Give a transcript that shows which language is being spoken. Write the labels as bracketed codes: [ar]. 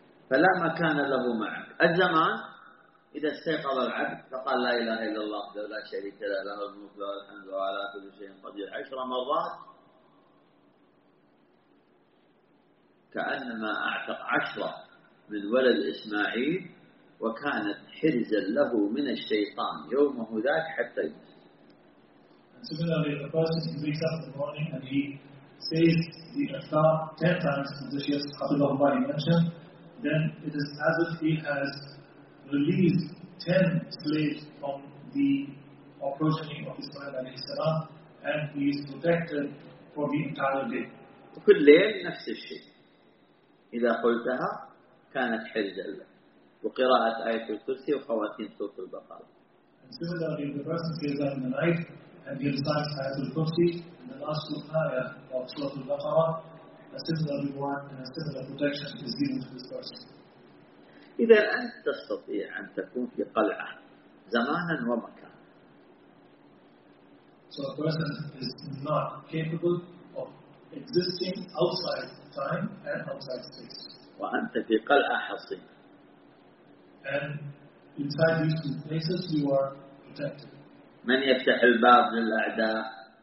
[ar] فَلَا مَكَانَ لَهُ مَعَكَ الزَّمَانِ إِذَا اسْتَيْقَظَ الْعَبْدِ فَقَالَ لَا إِلَهَ إِلَّا اللَّهُ لَوْ لَا شَرِكَ لَهُ لَهُ الْمُلْكُ وَلَهُ الْحَمْدُ وَعَلَى كُلِّ شَيْءٍ قَدِيرٌ 10 مرات كأنما أعتق 10 من ولد إسماعيل وكانت حرزا له من الشيطان يومه ذاك حتى يجلس. [en] And similarly, the person who wakes up in the morning and he says the Iftar 10 times in this year's Qatil al-Bari mentioned, then it is as if he has released 10 slaves from the opportunity of Ismail alayhi salam and he is protected for the entire day. [ar] وكل ليل نفس الشيء. إذا قلتها كانت حرزا لك وقراءة آية الكرسي وخواتيم سورة البقرة. [en] And similarly, the person says that in the night and he recites آية الكرسي in the last two ayah of سورة البقرة, a similar reward and a similar protection is given to this person. [ar] إذا أنت تستطيع أن تكون في قلعة زمانا ومكانا. [en] So a person is not capable of existing outside time and outside space. [ar] وأنت في قلعة حصينة. [en] And inside these two places you are protected. [ar] من يفتح الباب للأعداء؟